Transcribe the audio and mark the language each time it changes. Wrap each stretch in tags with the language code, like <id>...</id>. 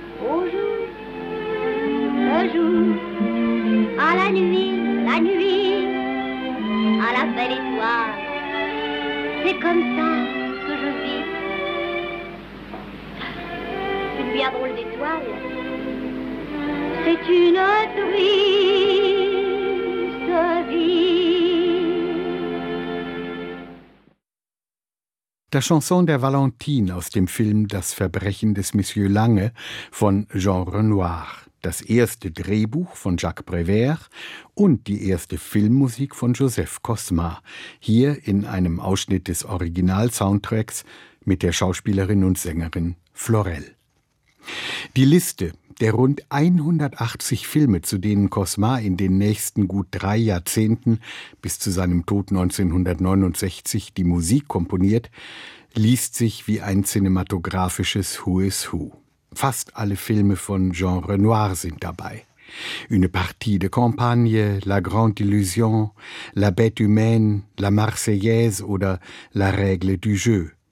<fr>Au jour, le jour, à la nuit, à la belle étoile, c'est comme ça que je vis. Bien drôle d'étoile, c'est une triste vie.</fr> <de>La chanson der Valentine aus dem Film Das Verbrechen des Monsieur Lange von Jean Renoir, das erste Drehbuch von Jacques Prévert und die erste Filmmusik von Joseph Kosma, hier in einem Ausschnitt des Original-Soundtracks mit der Schauspielerin und Sängerin Florelle. Die Liste der rund 180 Filme, zu denen Kosma in den nächsten gut drei Jahrzehnten bis zu seinem Tod 1969 die Musik komponiert, liest sich wie ein cinematografisches Who is Who. Fast alle Filme von Jean Renoir sind dabei. Une partie de campagne, La grande illusion, La bête humaine, La Marseillaise oder La règle du jeu.</de>